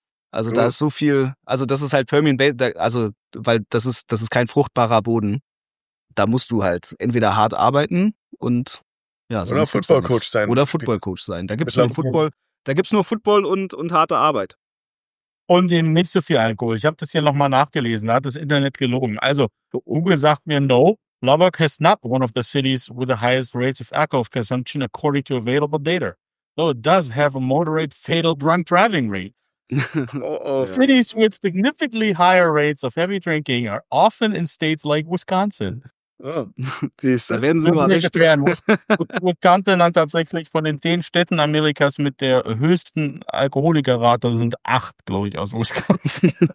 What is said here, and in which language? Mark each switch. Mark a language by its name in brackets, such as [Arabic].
[German] Also da ist so viel, also das ist halt Permian Basin, also weil das ist kein fruchtbarer Boden. Da musst du halt entweder hart arbeiten und ja, so. Oder Footballcoach sein. Oder Footballcoach sein. Da gibt's nur Football und harte Arbeit. Und eben nicht so viel Alkohol. Ich habe das hier nochmal nachgelesen, da hat das Internet gelogen. Also Google sagt mir no. [English] Lubbock is not one of the cities with the highest rates of alcohol consumption according to available data, though it does have a moderate fatal drunk driving rate. Cities with significantly higher rates of heavy drinking are often in states like Wisconsin. [German] Oh, da werden sie überrascht. Wisconsin hat tatsächlich von den 10 Städten Amerikas mit der höchsten Alkoholikerrate, sind 8, glaube ich, aus Wisconsin.